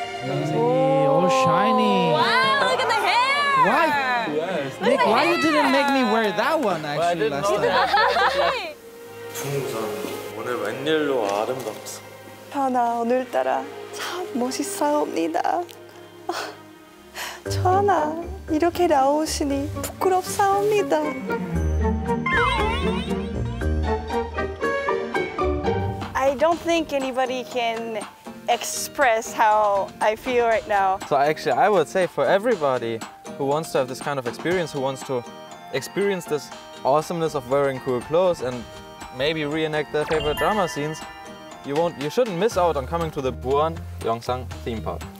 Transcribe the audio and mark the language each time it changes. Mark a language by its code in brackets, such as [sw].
[en] 오, shiny. Wow, look at the hair. Why? Yes. Nick, why you didn't make me wear that one actually last time? [ko] 중산 오늘 웬일로 아름답소. 하나 오늘따라 참 멋있사옵니다. 전하 이렇게 나오시니 부끄럽사옵니다. [en] 아, I don't think anybody can express how I feel right now. So actually, I would say for everybody who wants to have this kind of experience, who wants to experience this awesomeness of wearing cool clothes and maybe reenact their favorite drama scenes, you shouldn't miss out on coming to the Buan Gyeongsang theme park.